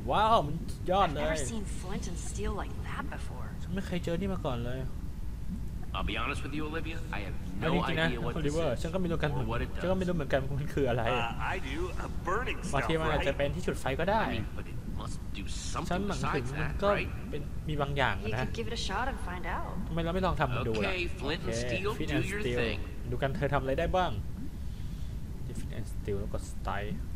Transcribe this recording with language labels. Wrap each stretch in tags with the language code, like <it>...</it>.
<th>ว้าวมันยอดเลย</th> <en>I've seen flint and steel like that before.</en> <th>ฉันไม่เคยเจอนี่มาก่อนเลย</th> <en>I'll be honest with you, Olivia. I have no idea what this is.</en> <th>ฉันก็ไม่รู้กันฉันก็ไม่รู้เหมือนกันมันคืออะไร</th> <en>I do a burning stuff.</en> <th>บางทีมันอาจจะเป็นที่จุดไฟก็ได้</th> <en>But it must do something.</en> <th>ฉันหวังถึงมันก็เป็นมีบางอย่างนะ</th> <en>You can give it a shot and find out.</en> <th>ทำไมเราไม่ลองทำมันดูล่ะ</th> <en>Okay, flint and steel, do your thing.</en> <th>ดูกันเธอทำอะไรได้บ้าง Defense and Steel แล้วก็ Style</th>